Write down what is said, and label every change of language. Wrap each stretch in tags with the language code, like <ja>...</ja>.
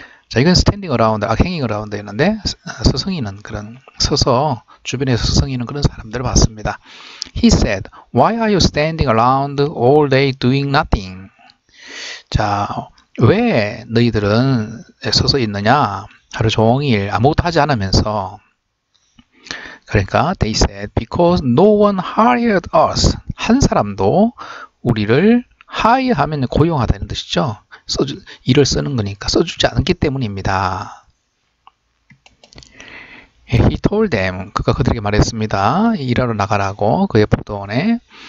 <ko>자, 이건</ko> <en>standing around, hanging around</en> <ko>였는데, 서성이는 그런, 서서, 주변에서 서성이는 그런 사람들을 봤습니다.</ko> <en>He said, Why are you standing around all day doing nothing?</en> <ko>자, 왜 너희들은 서서 있느냐? 하루 종일 아무것도 하지 않으면서. 그러니까,</ko> <en>they said, Because no one hired us.</en> <ko>한 사람도 우리를 hire 하면 고용하다는 뜻이죠. 일을 쓰는 거니까 써주지 않기 때문입니다.</ko> <en>He told them,</en> <ko>그가 그들에게 말했습니다. 일하러 나가라고, 그의 포도원에.</ko>